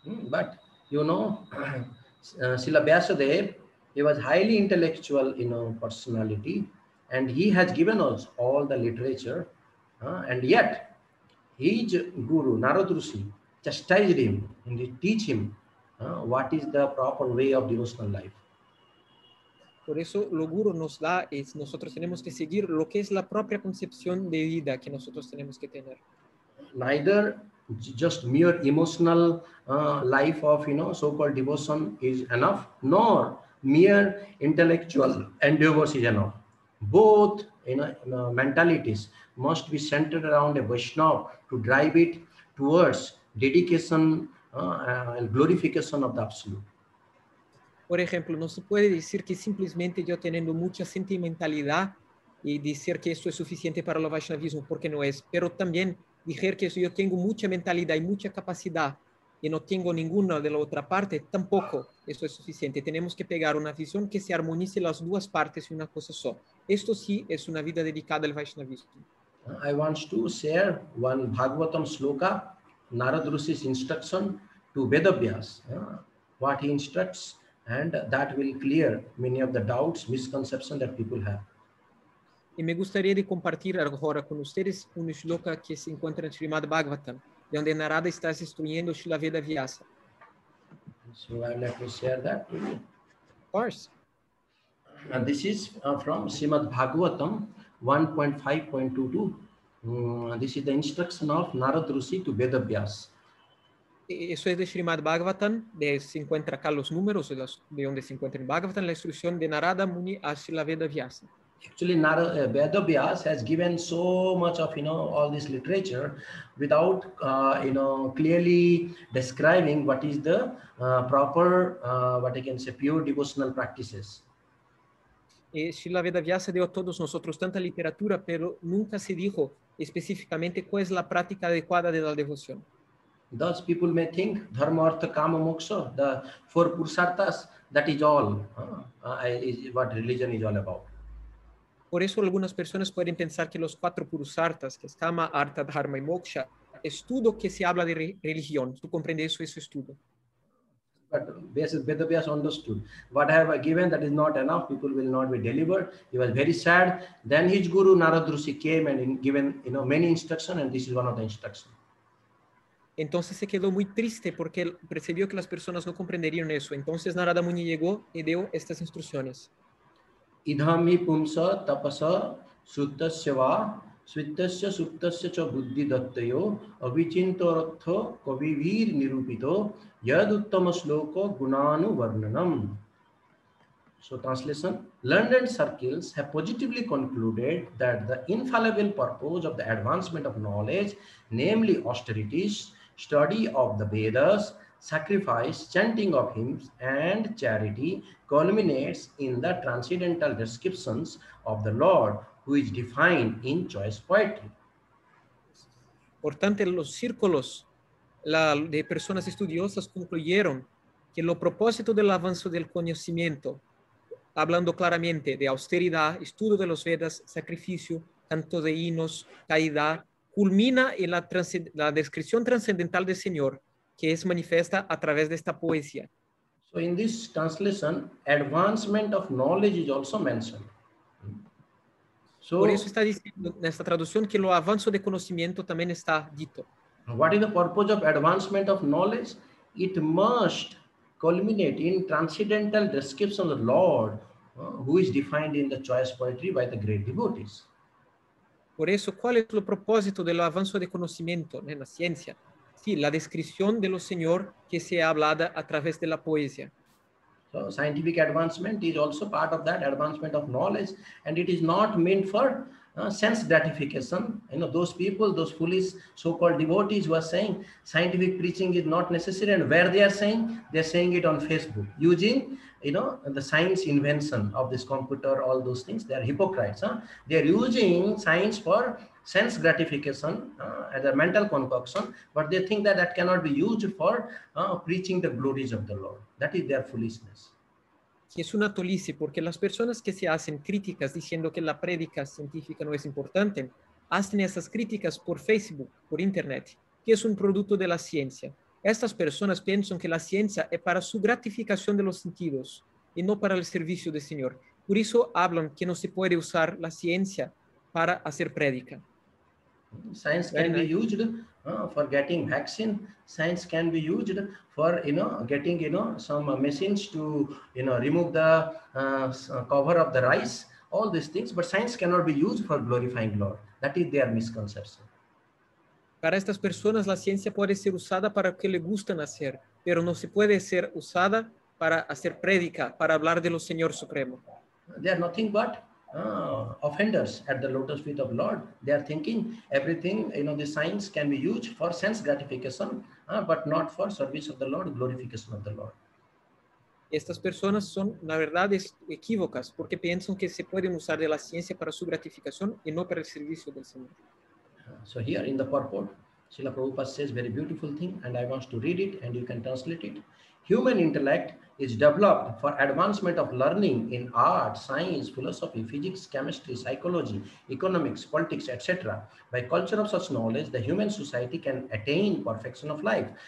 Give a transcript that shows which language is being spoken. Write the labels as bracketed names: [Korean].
[English] But, you know, Srila Vyasadev, he was highly intellectual, you know, personality, and he has given us all the literature, and yet, his guru, Narada Rishi, chastised him and he teach him what is the proper way of devotional life. [Spanish] Por eso lo guru nos da es nosotros tenemos que seguir lo que es la propia concepción de vida que nosotros tenemos que tener. [English] Neither just mere emotional life of, you know, so-called devotion is enough, nor mere intellectual endeavors is enough. Both, you know, mentalities must be centered around a Vaishnava to drive it towards dedication and glorification of the Absolute. [Spanish] Por ejemplo, no se puede decir que simplemente yo teniendo mucha sentimentalidad y decir que eso es suficiente para el Vaishnavismo, porque no es. Pero también decir que eso, yo tengo mucha mentalidad y mucha capacidad y no tengo ninguna de la otra parte, tampoco eso es suficiente. Tenemos que pegar una visión que se armonice las dos partes y una cosa sola. Esto sí es una vida dedicada al Vaishnavismo. [English] I want to share one Bhagavatam sloka, Narada Rishi's instruction to Vedavyas. What he instructs, and that will clear many of the doubts, misconceptions that people have. [Spanish] Y me gustaría de compartir ahora con ustedes un shloka que se encuentra en Srimad Bhagavatam, donde Narada está instruyendo Srila Veda Vyasa. [English] So I'd like to share that with you. Of course. And this is from Srimad Bhagavatam 1.5.22. This is the instruction of Narada Rishi to Veda Vyasa. [Spanish] Eso es de Srimad Bhagavatam, de se encuentra acá los números de, los, de donde se encuentra en Bhagavatam, la instrucción de Narada Muni a Srila Veda Vyasa. [English] Actually, Veda Vyasa has given so much of, you know, all this literature without, you know, clearly describing what is the proper, what I can say, pure devotional practices. [Spanish] Srila Veda Vyasa dio a todos nosotros tanta literatura, pero nunca se dijo específicamente cuál es la práctica adecuada de la devoción. [English] Thus, people may think dharma, artha, kama, moksha, the four pursartas, that is all, is what religion is all about. [Spanish] Por eso algunas personas pueden pensar que los cuatro pursartas, que es kama, artha, dharma y moksha, es todo que se habla de religión. ¿Tú comprendes eso? Eso es todo. [English] But Veda Vyasa understood. What I have given, that is not enough. People will not be delivered. He was very sad. Then his guru, Narada Rishi, came and given, you know, many instructions, and this is one of the instructions. [Spanish] Entonces se quedó muy triste porque percibió que las personas no comprenderían eso. Entonces Narada Muni llegó y dio estas instrucciones. [Sanskrit] Idhami pumsa tapasa sutasya va svitasya suptasya cha buddhi dattayo avichinto artho kavivir nirupito yad uttama sloka gunanu varnanam. [English] So translation, learned circles have positively concluded that the infallible purpose of the advancement of knowledge, namely austerities, study of the Vedas, sacrifice, chanting of hymns and charity, culminates in the transcendental descriptions of the Lord, who is defined in choice poetry. [Spanish] Por tanto, los círculos de personas estudiosas concluyeron que lo propósito del avance del conocimiento, hablando claramente de austeridad, estudio de los Vedas, sacrificio, canto de himnos, caridad, culmina en la descripción transcendental del Señor, que es manifiesta a través de esta poesía. [English] So in this translation, advancement of knowledge is also mentioned. [Spanish] So, por eso está diciendo en esta traducción que lo avance de conocimiento también está dicho. [English] What is the purpose of advancement of knowledge? It must culminate in transcendental description of the Lord, who is defined in the choice poetry by the great devotees. [Spanish] Por eso, ¿cuál es el propósito del avance de conocimiento en la ciencia? Sí, la descripción de lo Señor que se ha hablado a través de la poesía. [English] So scientific advancement is also part of that advancement of knowledge, and it is not meant for sense gratification. You know, those people, those foolish so-called devotees who are saying scientific preaching is not necessary, and where they are saying it on Facebook, using, you know, the science invention of this computer, all those things. They are hypocrites. They are using science for sense gratification as a mental concoction, but they think that that cannot be used for preaching the glories of the Lord. That is their foolishness. [Spanish] Es una tolice, porque las personas que se hacen críticas diciendo que la prédica científica no es importante, hacen esas críticas por Facebook, por Internet, que es un producto de la ciencia. Estas personas piensan que la ciencia es para su gratificación de los sentidos y no para el servicio del Señor. Por eso hablan que no se puede usar la ciencia para hacer prédica. [English] Science can be used for getting vaccine. Science can be used for, you know, getting, you know, some machines to, you know, remove the cover of the rice, all these things. But science cannot be used for glorifying Lord. That is their misconception. [Spanish] Para estas personas, la ciencia puede ser usada para lo que le gustan hacer, pero no se puede ser usada para hacer prédica, para hablar de lo Señor Supremo. [English] They are nothing but offenders at the lotus feet of Lord. They are thinking everything, you know, the science can be used for sense gratification, but not for service of the Lord, glorification of the Lord. [Spanish] Estas personas son, la verdad, equívocas, porque piensan que se pueden usar de la ciencia para su gratificación y no para el servicio del Señor. [English] So here in the purport, Srila Prabhupada says very beautiful thing, and I want to read it, and you can translate it. Human intellect is developed for advancement of learning in art, science, philosophy, physics, chemistry, psychology, economics, politics, etc. By culture of such knowledge, the human society can attain perfection of life.